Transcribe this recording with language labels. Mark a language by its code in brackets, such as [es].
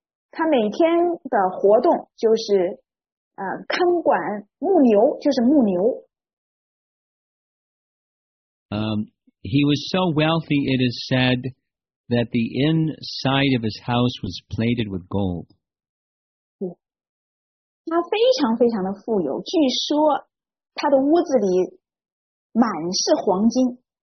[zh] 他每天的活动就是看管牧牛，就是牧牛。 [en] He was so wealthy, it is said, that the inside of his house was plated with gold. [zh] 他非常非常的富有，据说他的屋子里满是黄金。